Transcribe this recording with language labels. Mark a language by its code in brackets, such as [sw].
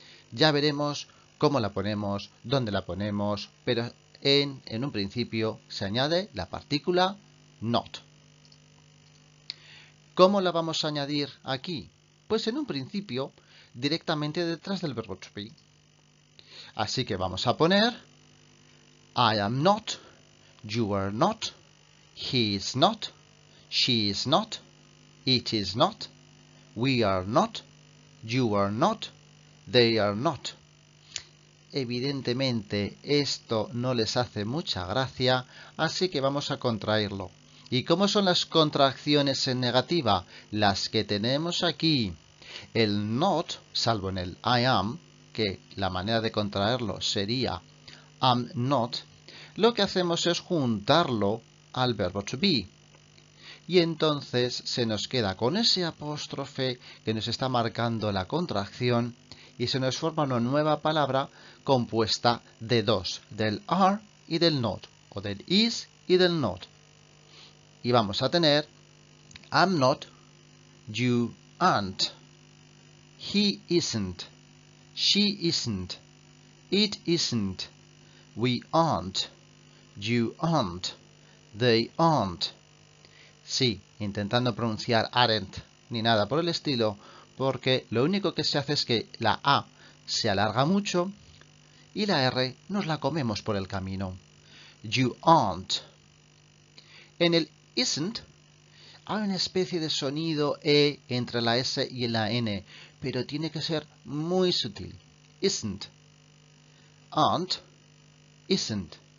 [es] Ya veremos cómo la ponemos, dónde la ponemos, pero en un principio se añade la partícula not. ¿Cómo la vamos a añadir aquí? Pues en un principio, directamente detrás del verbo to be. Así que vamos a poner [en] I am not, you are not, he is not, she is not, it is not, we are not, you are not, they are not. [es] Evidentemente esto no les hace mucha gracia, así que vamos a contraerlo. ¿Y cómo son las contracciones en negativa? Las que tenemos aquí. El not, salvo en el I am, que la manera de contraerlo sería am not, lo que hacemos es juntarlo al verbo to be. Y entonces se nos queda con ese apóstrofe que nos está marcando la contracción y se nos forma una nueva palabra compuesta de dos, del are y del not, o del is y del not. Y vamos a tener [en] am not, you aren't. He isn't, she isn't, it isn't, we aren't, you aren't, they aren't. [es] Sí, intentando pronunciar aren't ni nada por el estilo, porque lo único que se hace es que la A se alarga mucho y la R nos la comemos por el camino. [en] You aren't. [es] En el isn't hay una especie de sonido E entre la S y la N, pero tiene que ser muy sutil. Isn't. Aren't. Isn't.